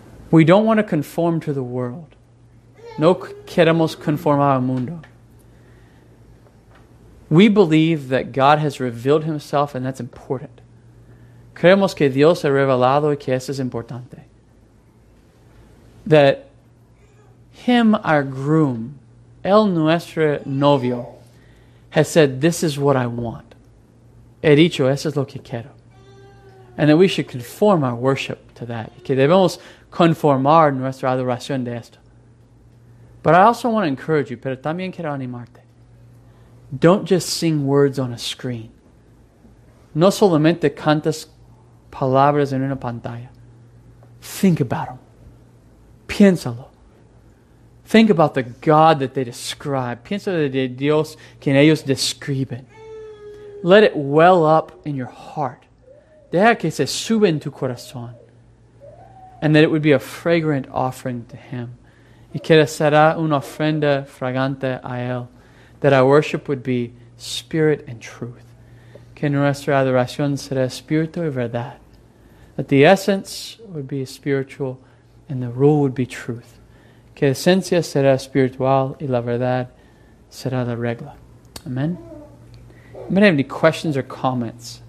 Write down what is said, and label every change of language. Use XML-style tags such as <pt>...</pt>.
<en>We don't want to conform to the world.</en> <es>No queremos conformar al mundo.</es> <en>We believe that God has revealed himself, and that's important.</en> <es>Creemos que Dios ha revelado y que eso es importante.</es> <en>That him, our groom,</en> <es>el nuestro novio,</es> <en>has said, this is what I want.</en> <es>He dicho, eso es lo que quiero.</es> <en>And that we should conform our worship to that.</en> <es>Que debemos conformar nuestra adoración de esto.</es> <en>But I also want to encourage you,</en> <es>pero también quiero animarte.</es> <en>Don't just sing words on a screen.</en> <es>No solamente cantas palabras en una pantalla.</es> <en>Think about them.</en> <es>Piénsalo.</es> <en>Think about the God that they describe.</en> <es>Piensa de Dios que ellos describen.</es> <en>Let it well up in your heart.</en> <es>Deja que se suba en tu corazón.</es> <en>And that it would be a fragrant offering to him.</en> <es>Y que será una ofrenda fragante a él.</es> <en>That our worship would be spirit and truth.</en> <es>Que nuestra adoración será espíritu y verdad.</es> <en>That the essence would be spiritual and the rule would be truth.</en> <es>Que esencia será espiritual y la verdad será la regla.</es> <en>Amen. You might have any questions or comments.</en>